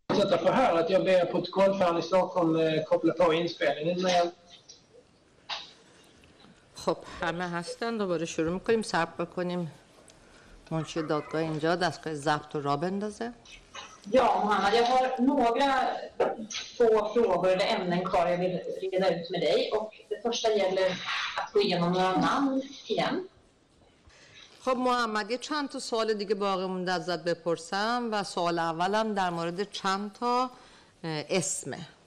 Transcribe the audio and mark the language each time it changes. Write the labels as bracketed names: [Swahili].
[Swedish] Jag har hört att jag ber protokoll för att ni snart kan koppla på inspelningen med. [Persian] خب همه هستن، دوباره شروع میکنیم، صبر بکنیم. منشی دادگاه اینجا دستگاه ضبط رو را بندازه. [Swedish] Ja, Mohammed, jag har några få frågor eller ämnen kvar jag vill reda ut med dig. Och det första gäller att gå igenom några namn igen. [Persian] خب محمد، یه چند تا سوال دیگه باقی مونده ازت بپرسم و سوال اولم در مورد چند تا اسمه.